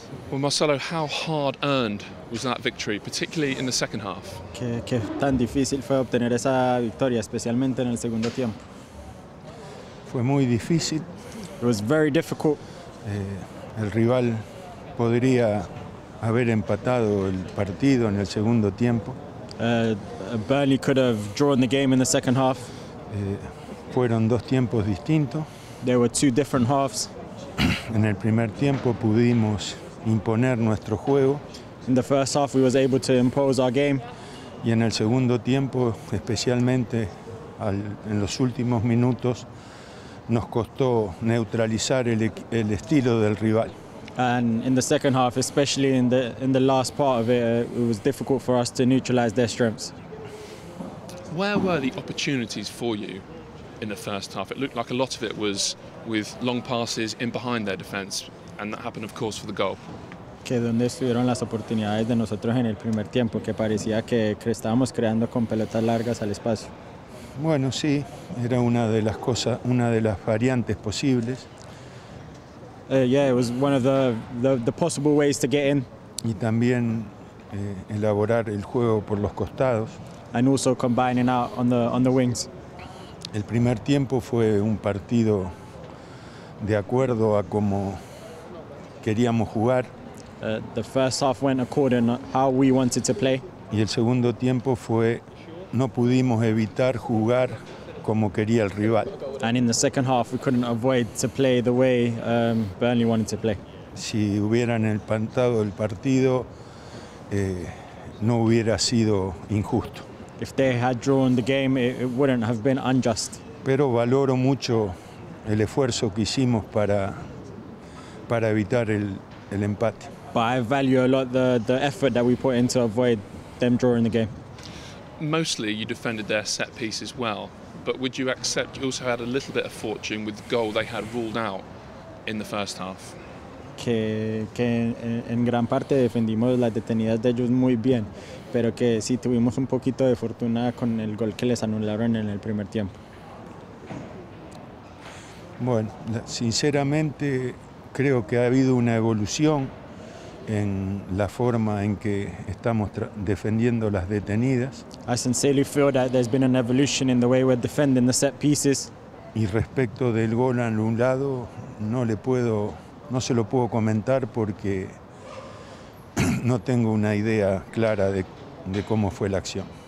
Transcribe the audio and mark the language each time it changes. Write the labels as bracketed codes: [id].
[en] Well, Marcelo, how hard earned was that victory, particularly in the second half? [es] Que tan difícil fue obtener esa victoria, especialmente en el segundo tiempo. Fue muy difícil. [en] It was very difficult. [es] El rival podría haber empatado el partido en el segundo tiempo. [en] Burnley could have drawn the game in the second half. [es] Fueron dos tiempos distintos. [en] There were two different halves. [es] En el primer tiempo pudimos imponer nuestro juego. [en] In the first half we was able to impose our game. [es] Y en el segundo tiempo, especialmente en los últimos minutos, nos costó neutralizar el estilo del rival. [en] And in the second half, especially in the last part of it, it was difficult for us to neutralize their strengths. Where were the opportunities for you in the first half? It looked like a lot of it was with long passes in behind their defense. And that happened, of course, for the goal. [es] Que donde estuvieron las oportunidades de nosotros en el primer tiempo, que parecía que estábamos creando con pelotas largas al espacio. Bueno, sí, era una de las cosas, una de las variantes posibles. [en] Yeah, it was one of the possible ways to get in. [es] Y también elaborar el juego por los costados. [en] And also combining out on the wings. [es] El primer tiempo fue un partido de acuerdo a cómo queríamos jugar. [en] The first half went according to how we wanted to play. [es] Y el segundo tiempo fue, no pudimos evitar jugar como quería el rival. [en] And in the second half we couldn't avoid to play the way Burnley wanted to play. [es] Si hubieran empatado el partido, no hubiera sido injusto. [en] If they had drawn the game, it wouldn't have been unjust. [es] Pero valoro mucho el esfuerzo que hicimos para evitar el empate. [en] But I value a lot the effort that we put in to avoid them drawing the game. Mostly you defended their set piece as well, but would you accept you also had a little bit of fortune with the goal they had ruled out in the first half? [es] Que en gran parte defendimos las detenidas de ellos muy bien, pero que sí tuvimos un poquito de fortuna con el gol que les anularon en el primer tiempo. Bueno, sinceramente creo que ha habido una evolución en la forma en que estamos defendiendo las detenidas. [en] I sincerely feel that there's been an evolution in the way we're defending the set pieces. [es] Y respecto del gol anulado, no se lo puedo comentar porque no tengo una idea clara de cómo fue la acción.